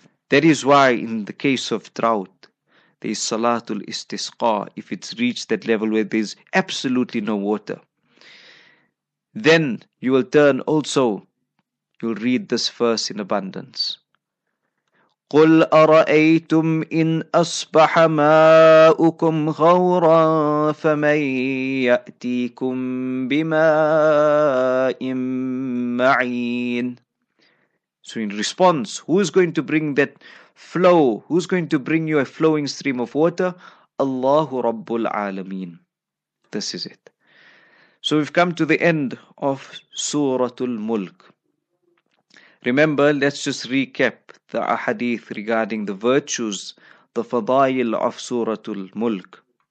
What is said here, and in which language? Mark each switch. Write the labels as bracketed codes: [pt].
[en] That is why in the case of drought, there is Salatul Istisqa, if it's reached that level where there is absolutely no water. Then you will turn also, you'll read this verse in abundance. [ar] قل أرأيتم إن أصبح ماؤكم غورا فمن يأتيكم بماء معين. [en] So in response, who's going to bring that flow? Who's going to bring you a flowing stream of water? [ar] Allahu Rabbul Alameen. [en] This is it. So we've come to the end of Suratul Mulk. Remember, let's just recap the ahadith regarding the virtues, the fadail of Suratul Mulk.